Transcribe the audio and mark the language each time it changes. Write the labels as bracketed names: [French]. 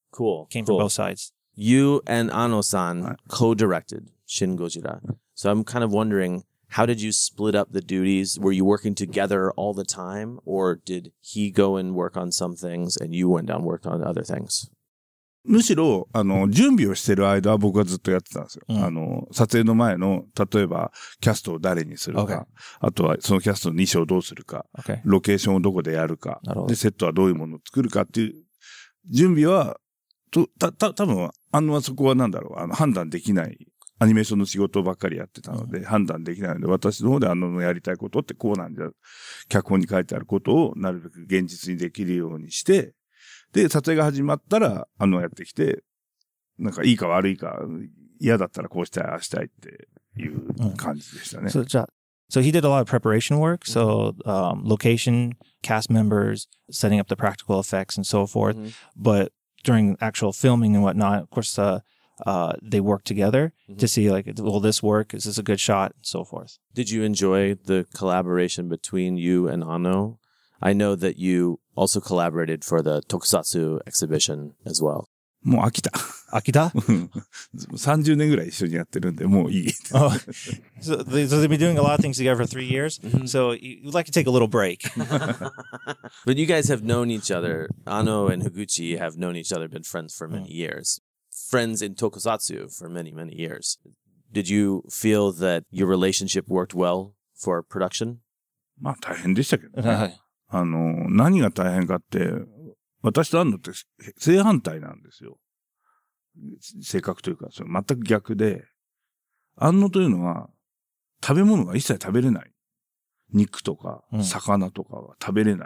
[English] Cool. Came cool. from both sides. You and Anno-san co-directed Shin Godzilla. So I'm kind of wondering, how did you split up the duties? Were you working together all the time, or did he go and work on some things and you went down and worked on other things? [Japanese] むしろ、あの、準備をしてる間は僕はずっとやってたんですよ。うん、あの、撮影の前の、例えば、キャストを誰にするか、 [English] okay. [Japanese] あとはそのキャストの衣装をどうするか、 [English] okay. [Japanese] ロケーションをどこでやるか、なるほど。で、セットはどういうものを作るかっていう、準備は、たぶん、あの、そこはなんだろう、あの、判断できない、アニメーションの仕事ばっかりやってたので、うん、判断できないので、私の方であの、やりたいことってこうなんじゃ、脚本に書いてあることをなるべく現実にできるようにして、で、撮影が始まったら、あの、やってきて、なんか、いいか悪いか、嫌だったらこうしたい、ああしたいっていう感じでしたね。 [English] So, so he did a lot of preparation work. So, location, cast members, setting up the practical effects and so forth. Mm-hmm. But during actual filming and whatnot, of course, they worked together mm-hmm. to see, like, will this work? Is this a good shot? And so forth. Did you enjoy the collaboration between you and Anno? I know that you also collaborated for the Tokusatsu exhibition as well. [Japanese] もう飽きた。飽きた？ 30年ぐらい一緒にやってるんで、もういい。 [English] So they've been doing a lot of things together for 3 years. Mm-hmm. So you'd like to take a little break. But you guys have known each other. Anno and Higuchi have known each other, been friends for many years. Friends in Tokusatsu for many, many years. Did you feel that your relationship worked well for production? [Japanese] まあ大変でしたけどね。あの、何が大変かって、私と安野って正反対なんですよ。性格というか、それ全く逆で、安野というのは、食べ物が一切食べれない。肉とか、魚とかは食べれない